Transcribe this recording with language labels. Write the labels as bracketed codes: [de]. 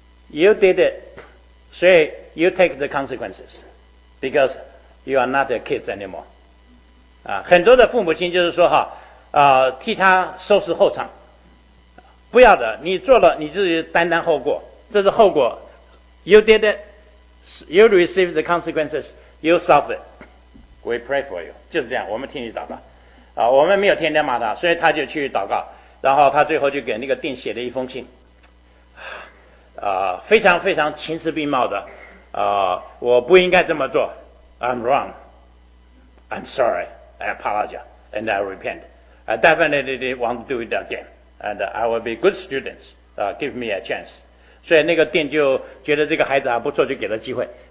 [en] You did it, so you take the consequences, because you are not a kid anymore. [zh] 啊，很多的父母亲就是说哈，替他收拾后场，不要的，你做了你自己担当后果，这是后果。 [en] You did it, you receive the consequences, you solve it. We pray for you. [zh] 就是这样，我们替你祷告。啊，我们没有天天骂他，所以他就去祷告，然后他最后就给那个店写了一封信。非常非常情势并茂的我不应该这么做 [en] I'm wrong I'm sorry I apologize and I repent I definitely want to do it again and I will be good students give me a chance [zh] 所以那个店就觉得这个孩子还不错就给了机会